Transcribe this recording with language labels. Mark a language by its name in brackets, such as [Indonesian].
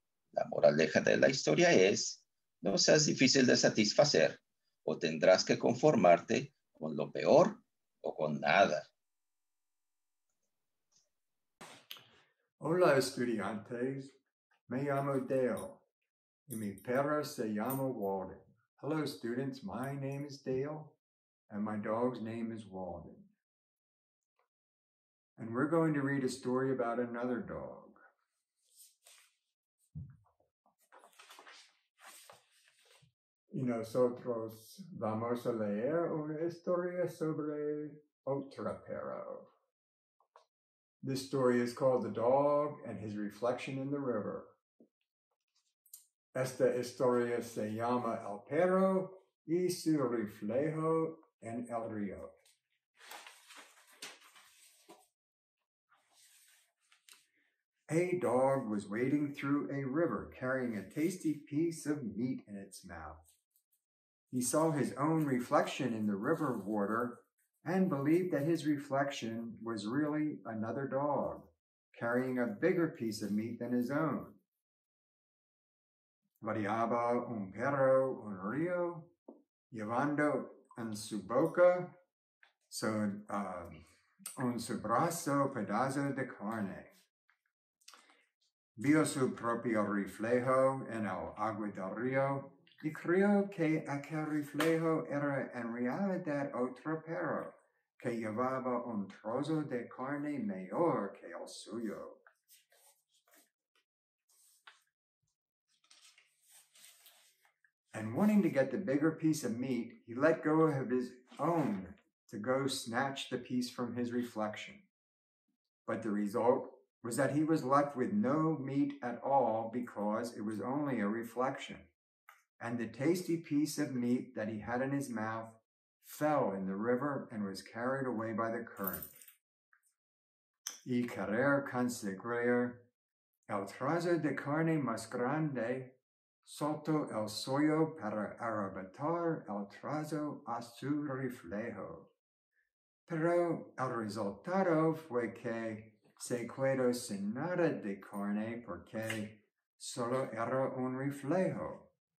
[Spanish] La moraleja de la historia es, no seas difícil de satisfacer o tendrás que conformarte con lo peor o con nada. Hola, estudiantes. Me llamo Dale y mi perro se llama Walden. [English] Hello, students. My name is Dale and my dog's name is Walden. And we're going to read a story about another dog. [Spanish] Y nosotros vamos a leer una historia sobre otro perro. [English] This story is called The Dog and His Reflection in the River. [Spanish] Esta historia se llama El Perro y su Reflejo en el Río. [English] A dog was wading through a river, carrying a tasty piece of meat in its mouth. He saw his own reflection in the river water and believed that his reflection was really another dog, carrying a bigger piece of meat than his own. [Spanish] Variaba un perro un río, llevando en su boca, en su brazo pedazo de carne. Vio su propio reflejo en el agua del río y creyó que aquel reflejo era en realidad otro perro que llevaba un trozo de carne mayor que el suyo. [English] And wanting to get the bigger piece of meat, he let go of his own to go snatch the piece from his reflection. But the result was that he was left with no meat at all because it was only a reflection, and the tasty piece of meat that he had in his mouth fell in the river and was carried away by the current. [Spanish] Y querer conseguir el trozo de carne más grande soltó el suyo para arrebatar el trozo a su reflejo. Pero el resultado fue que se quedó sin nada de carne porque solo era un reflejo.